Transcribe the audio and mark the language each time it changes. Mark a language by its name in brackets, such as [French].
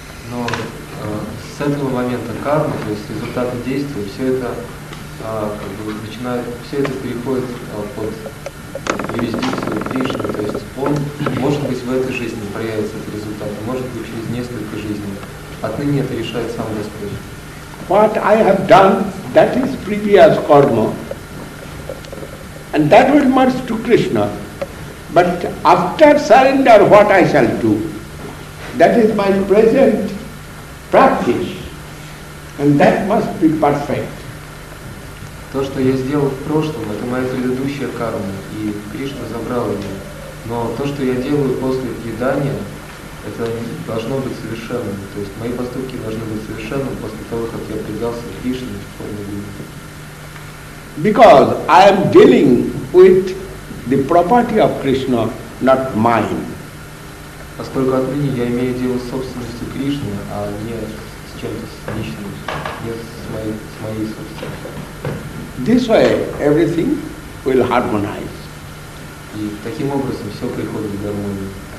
[Russian] Но с этого момента карма, то есть результаты действия, все это как бы начинает, все это переходит под юрисдикцию Кришны. То есть он, может быть, в этой жизни проявится этот результат, а может быть, через несколько жизней. Отныне это решает сам Господь. [English] What I have done, that is previous karma. And that will merge to Krishna. But after surrender, what I shall do? That is my present practice. And that must be perfect. [Russian] То, что я сделал в прошлом, это моя предыдущая карма, и Кришна забрал ее. Но то, что я делаю после предания, это должно быть совершенным. То есть мои поступки должны быть совершенным после того, как я предался Кришне в форме любви. [English] Because I am dealing with the property of Krishna, not mine. [Russian] Поскольку отныне я имею дело с собственностью Кришны, а не с чем-то личным, не с моей собственностью. [English] This way everything will harmonize. [Russian] И таким образом все приходит в гармонию.